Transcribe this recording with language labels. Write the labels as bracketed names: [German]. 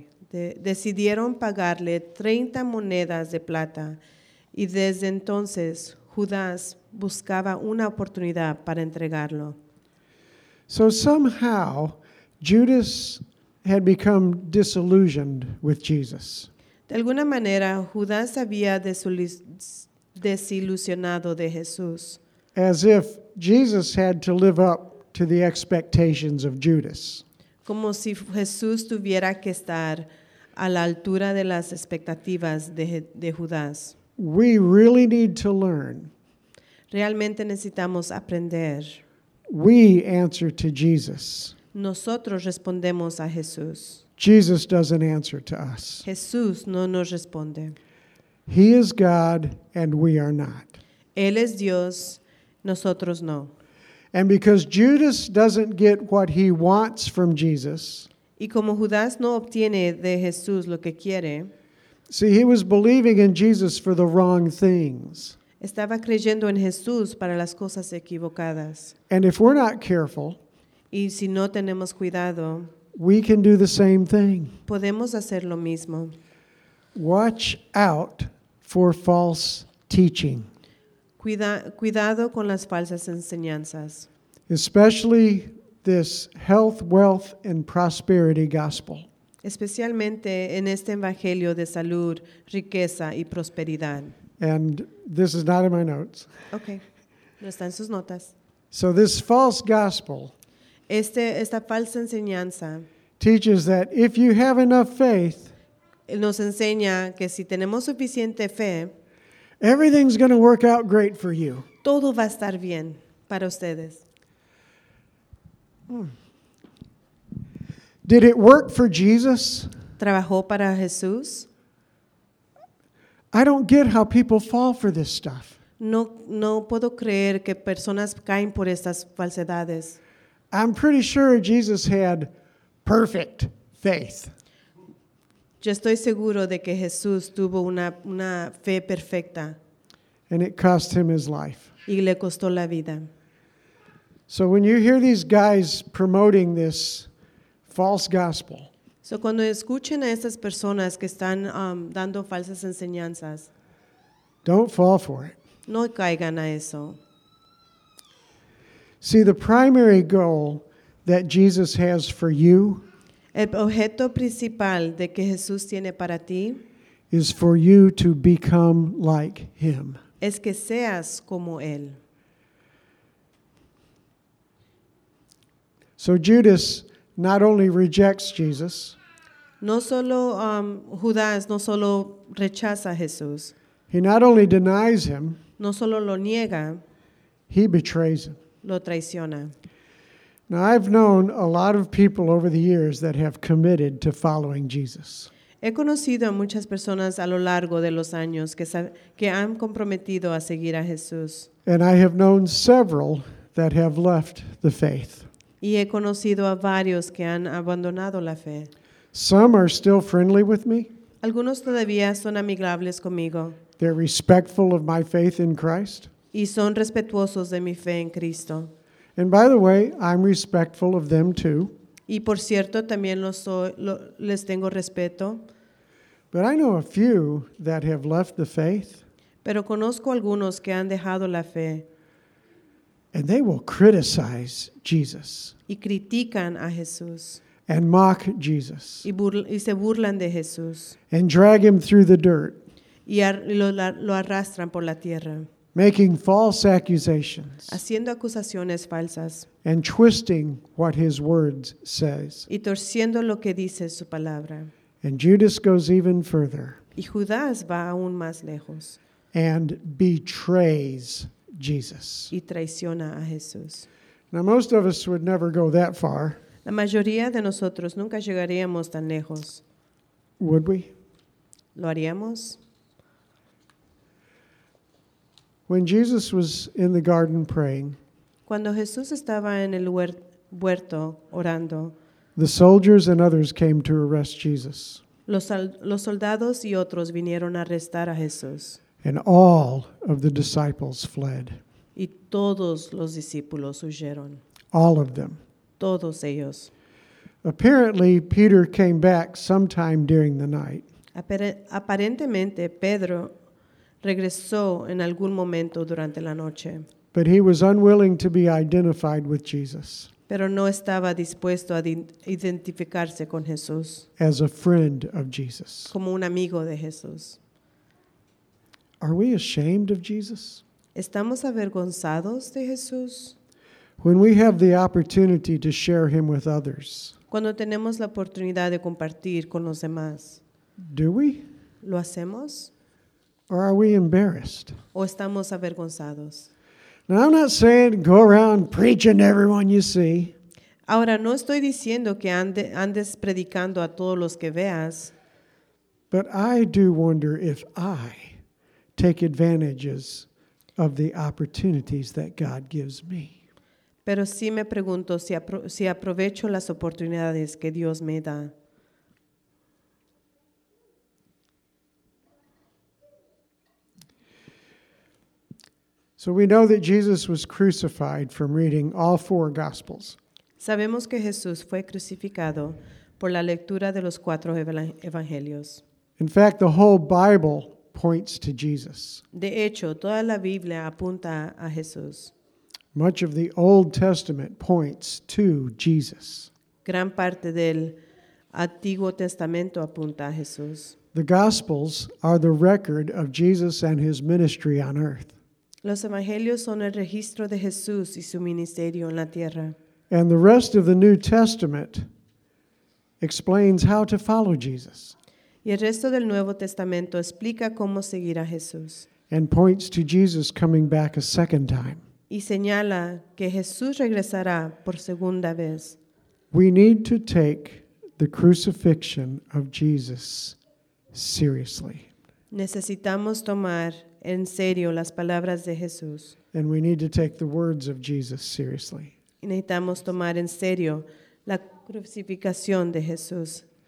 [Spanish] Decidieron pagarle 30 monedas de plata, y desde entonces Judas buscaba una oportunidad para entregarlo. [English] So somehow Judas had become disillusioned with Jesus. [Spanish] De alguna manera Judas había desilusionado de Jesús. [English] As if Jesus had to live up to the expectations of Judas. [Spanish] Como si Jesús tuviera que estar a la altura de las expectativas de Judas. [English] We really need to learn. [Spanish] Realmente necesitamos aprender. [English] We answer to Jesus. [Spanish] Nosotros respondemos a Jesús. [English] Jesus doesn't answer to us. [Spanish] Jesús no nos responde. [English] He is God and we are not. [Spanish] Él es Dios, nosotros no. [English] And because Judas doesn't get what he wants from Jesus, [Spanish] y como Judas no obtiene de Jesús lo que quiere, [English] see, he was believing in Jesus for the wrong things. [Spanish] Estaba creyendo en Jesús para las cosas equivocadas. [English] And if we're not careful, [Spanish] y si no tenemos cuidado, [English] we can do the same thing. [Spanish] Podemos hacer lo mismo. [English] Watch out for false teaching. [Spanish] Cuidado con las falsas enseñanzas. [English] Especially this health, wealth, and prosperity gospel. [Spanish] Especialmente en este evangelio de salud, riqueza y prosperidad. [English] And this is not in my notes. [Spanish] Okay. No está en sus notas. [English] So this false gospel, [Spanish] esta falsa enseñanza, [English] teaches that if you have enough faith, [Spanish] nos enseña que si tenemos suficiente fe, [English] everything's going to work out great for you. [Spanish] Todo va a estar bien para ustedes. [English] Did it work for Jesus? [Spanish] ¿Trabajó para Jesús? [English] I don't get how people fall for this stuff. [Spanish] No puedo creer que personas caen por estas falsedades. [English] I'm pretty sure Jesus had perfect faith. [Spanish] Yo estoy seguro de que Jesús tuvo una fe perfecta. [English] And it cost him his life. [Spanish] Y le costó la vida. [English] So when you hear these guys promoting this false gospel, [Spanish] so cuando escuchen a estas personas que están dando falsas enseñanzas, [English] don't fall for it. [Spanish] No caigan a eso. [English] See, the primary goal that Jesus has for you, [Spanish] el objeto principal de que Jesús tiene para ti, [English] is for you to become like him. [Spanish] Es que seas como él. [English] So Judas not only rejects Jesus, [Spanish] no solo Judas no solo rechaza a Jesús. [English] He not only denies him, [Spanish] no solo lo niega, [English] he betrays him. [Spanish] Lo traiciona. [English] Now I've known a lot of people over the years that have committed to following Jesus. [Spanish] He conocido a muchas personas a lo largo de los años que han comprometido a seguir a Jesús. [English] And I have known several that have left the faith. [Spanish] Y he conocido a varios que han abandonado la fe. [English] Some are still friendly with me. [Spanish] Algunos todavía son amigables conmigo. [English] They're respectful of my faith in Christ. [Spanish] Y son respetuosos de mi fe en Cristo. [English] And by the way, I'm respectful of them too. [Spanish] Y por cierto, también les tengo respeto. [English] But I know a few that have left the faith. [Spanish] Pero conozco algunos que han dejado la fe. [English] And they will criticize Jesus. [Spanish] Y critican a Jesús. [English] And mock Jesus. [Spanish] Y se burlan de Jesús. [English] And drag him through the dirt. [Spanish] Y lo arrastran por la tierra. [English] Making false accusations. [Spanish] Haciendo acusaciones falsas. [English] And twisting what his words says. [Spanish] Y torciendo lo que dice su palabra. [English] And Judas goes even further. [Spanish] Y Judas va aún más lejos. [English] And betrays Jesus. [Spanish] Y traiciona a Jesús. [English] Now most of us would never go that far. [Spanish] La mayoría de nosotros nunca llegaríamos tan lejos. [English] Would we? [Spanish] ¿Lo haríamos? [English] When Jesus was in the garden praying, [Spanish] cuando Jesús estaba en el huerto orando, [English] the soldiers and others came to arrest Jesus. [Spanish] Los soldados y otros vinieron a arrestar a Jesús. [English] And all of the disciples fled. [Spanish] Y todos los discípulos huyeron. [English] All of them. [Spanish] Todos ellos. [English] Apparently, Peter came back sometime during the night. [Spanish] Aparentemente, Pedro regresó en algún momento durante la noche. [English] But he was unwilling to be identified with Jesus. [Spanish] Pero no estaba dispuesto a identificarse con Jesús. [English] As a friend of Jesus. [Spanish] Como un amigo de Jesús. [English] Are we ashamed of Jesus? [Spanish] ¿Estamos avergonzados de Jesús? [English] When we have the opportunity to share him with others. [Spanish] Cuando tenemos la oportunidad de compartir con los demás. [English] Do we? [Spanish] ¿Lo hacemos? [English] Or are we embarrassed? [Spanish] ¿O estamos avergonzados? [English] Now I'm not saying go around preaching to everyone you see. [Spanish] Ahora no estoy diciendo que andes predicando a todos los que veas. [English] But I do wonder if I take advantages of the opportunities that God gives me. [Spanish] Pero sí me pregunto si aprovecho las oportunidades que Dios me da. [English] So we know that Jesus was crucified from reading all four Gospels. [Spanish] Sabemos que Jesús fue crucificado por la lectura de los cuatro evangelios. [English] In fact, the whole Bible points to Jesus. [Spanish] De hecho, toda la Biblia apunta a Jesús. [English] Much of the Old Testament points to Jesus. [Spanish] Gran parte del Antiguo Testamento apunta a Jesús. [English] The Gospels are the record of Jesus and his ministry on earth. [Spanish] Los evangelios son el registro de Jesús y su ministerio en la tierra. [English] And the rest of the New Testament explains how to follow Jesus. [Spanish] Y el resto del Nuevo Testamento explica cómo seguir a Jesús. [English] And points to Jesus coming back a second time. [Spanish] Y señala que Jesús regresará por segunda vez. [English] We need to take the crucifixion of Jesus seriously. [Spanish] Necesitamos tomar en serio las palabras de Jesús. [English] And we need to take the words of Jesus seriously. [Spanish] Y necesitamos tomar en serio la crucificación de Jesús.